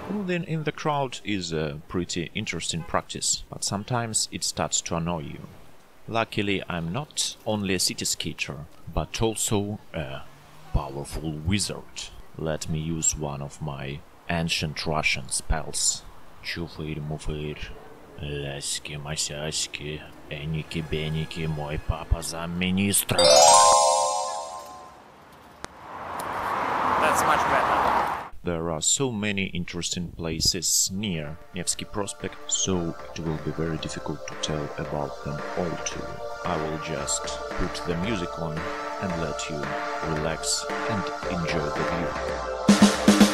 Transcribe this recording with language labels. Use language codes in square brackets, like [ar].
[en] In the crowd is a pretty interesting practice, but sometimes it starts to annoy you. Luckily, I'm not only a city skater, but also a powerful wizard. Let me use one of my ancient Russian spells. [ru] Чуфыр муфыр, ляськи масяськи, эники беники, мой папа замминистра. [en] That's much better. There are so many interesting places near Nevskii Prospect, so it will be very difficult to tell about them all to you. I will just put the music on and let you relax and enjoy the view.